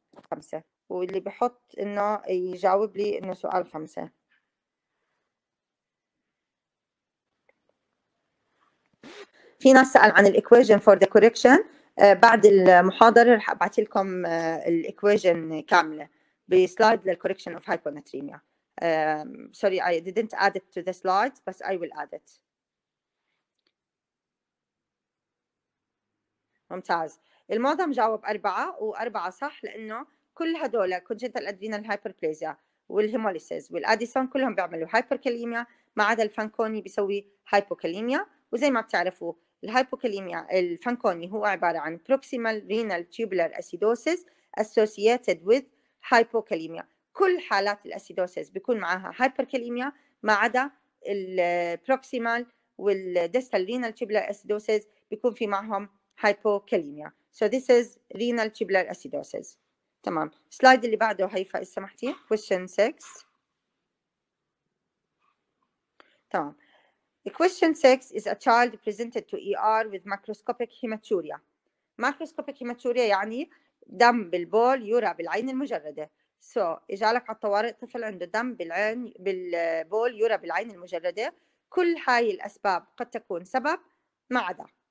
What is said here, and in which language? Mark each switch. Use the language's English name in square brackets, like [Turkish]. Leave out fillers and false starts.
[Arabic] خمسة، واللي بحط إنه يجاوب لي إنه سؤال خمسة. في ناس سأل عن الإكويجن [English] for the correction. [Arabic] بعد المحاضرة رح أبعث لكم الإكواجن كاملة بسلايد للكوركشن أوف هايبوناتريميا. [English] Sorry I didn't add it to the slides but I will add it. [Arabic] ممتاز، المعظم جاوب أربعة وأربعة صح لأنه كل هدول كونجنتال ادرينال هايبربليزيا والهيموليسيس والاديسون كلهم بيعملوا هايبركاليميا، ما عدا الفانكوني بيسوي هايبوكاليميا. وزي ما بتعرفوا الهايبوكاليميا الفانكوني هو عباره عن بروكسيمال رينال تيوبولار اسيدوسيس اسوسييتد وذ هايبوكاليميا. كل حالات الاسيدوسيس بيكون معاها هايبركاليميا ما عدا البروكسيمال والديستال رينال تيوبولار اسيدوسيس بيكون في معهم هايبوكاليميا. [English] So this is renal tubular acidosis. [Arabic] تمام. سلايد اللي بعده هيفا إذا سمحتي. [English] Question 6. [Arabic] تمام. [English] The question 6 is a child presented to ER with macroscopic hematuria. [Arabic] Macroscopic hematuria يعني دم بالبول يرى بالعين المجردة. So إجالك على الطوارئ طفل عنده دم بالعين بالبول يرى بالعين المجردة. كل هاي الأسباب قد تكون سبب ما عدا.